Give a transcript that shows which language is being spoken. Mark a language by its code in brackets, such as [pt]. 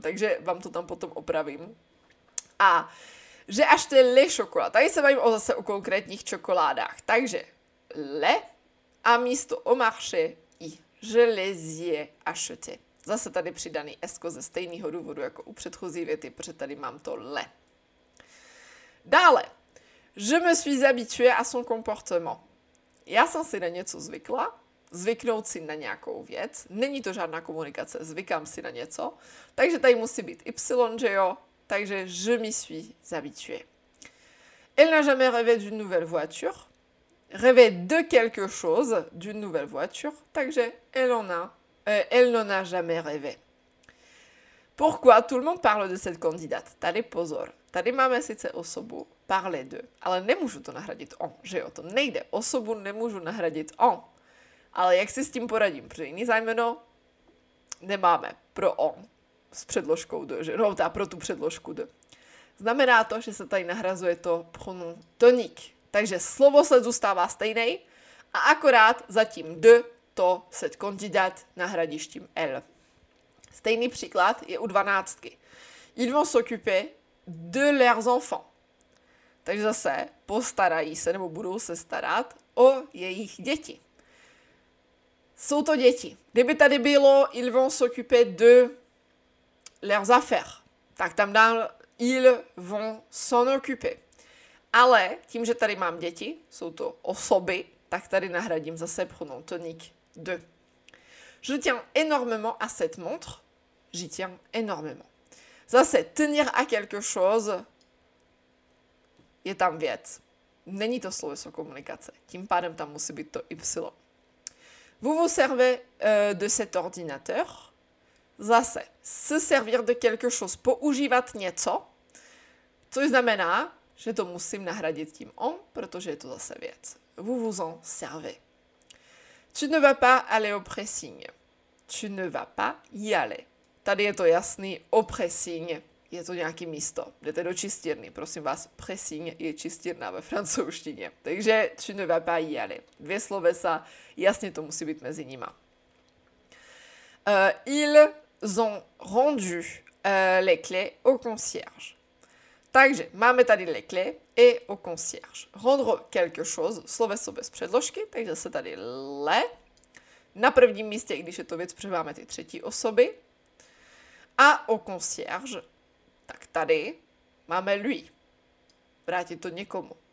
[cs] Takže vám to tam potom opravím. A že [fr] acheter les chocolats. [cs] Tady se bavím o zase o konkrétních čokoládách. Takže le a místo [fr] au marché [cs] i. [fr] Je les ai acheté. [cs] Zase tady přidaný esko ze stejného důvodu jako u předchozí věty, protože tady mám to le. [fr] Dále, je me suis habitué à son comportement. [cs] Já jsem si na něco zvykla, zvyknout si na nějakou věc, není to žádná komunikace, zvykám si na něco, takže tady musí být y, že jo, takže [fr] je me suis habitué. Elle n'a jamais rêvé d'une nouvelle voiture, rêvé de quelque chose, d'une nouvelle voiture, takže elle n'en a jamais rêvé. Pourquoi tout le monde parle de cette candidate? [cs] Tady pozor. Tady máme sice osobu parler de, ale nemůžu to nahradit on, že jo, to nejde. Osobu nemůžu nahradit on. Ale jak si s tím poradím? Protože jiný zájmeno nemáme pro on s předložkou de, že? No, ta pro tu předložku de. Znamená to, že se tady nahrazuje to pronom tonik. Takže slovo se zůstává stejný a akorát zatím de to cette candidate nahradíš tím elle. Stejný příklad je u dvanáctky. [fr] Ils vont s'occuper de leurs enfants. [cs] Takže zase postarají se nebo budou se starat o jejich děti. Jsou to děti. Kdyby tady bylo [fr] ils vont s'occuper de leurs affaires, [cs] tak tam dám [fr] ils vont s'en occuper. [cs] Ale tím, že tady mám děti, jsou to osoby, tak tady nahradím zase pronom tonique de. [fr] Je tiens énormément à cette montre. J'y tiens énormément. [cs] Zase, [fr] tenir à quelque chose [cs] je tam věc. Není to sloveso komunikace. Tím pádem tam musí být to y. [fr] Vous vous servez de cet ordinateur. [cs] Zase, [fr] se servir de quelque chose, [cs] používat něco, což znamená, že to musím nahradit tím on, protože je to zase věc. [fr] Vous vous en servez. Tu ne vas pas aller au pressing. Tu ne vas pas y aller. [cs] Tady je to jasný, au pressing je to nějaký místo. Jdete do čistírny, prosím vás, pressing je čistírna ve francouzštině. Takže [fr] tu ne vas pas y aller. [cs] Dvě slovesa, jasně to musí být mezi nima. [fr] Ils ont rendu les clés au concierge. [cs] Takže máme tady [fr] les clés et au concierge. Rendre quelque chose, [cs] sloveso bez předložky, takže se tady le. Na prvním místě, když je to věc, protože máme ty třetí osoby. A au concierge, tak tady máme lui. Vrátit to někomu.